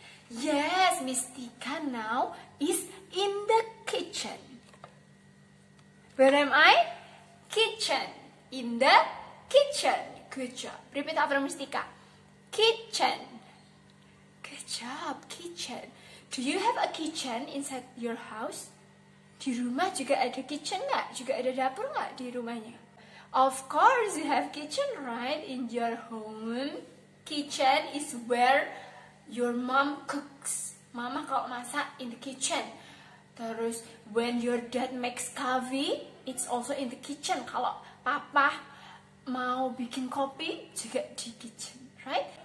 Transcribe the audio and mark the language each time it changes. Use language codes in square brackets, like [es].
[en] Yes, Mistika now is in the kitchen. Where am I? Kitchen. In the kitchen. Good job. Repeat after Mistika. Kitchen. Good job, kitchen. Do you have a kitchen inside your house? [id] Di rumah juga ada kitchen nggak? Juga ada dapur nggak di rumahnya? [en] Of course, you have kitchen, right? In your home. Kitchen is where your mom cooks. [id] Mama kalau masak [en] in the kitchen. Terus, when your dad makes coffee, it's also in the kitchen. [id] Kalau papa mau bikin kopi, juga di kitchen, right?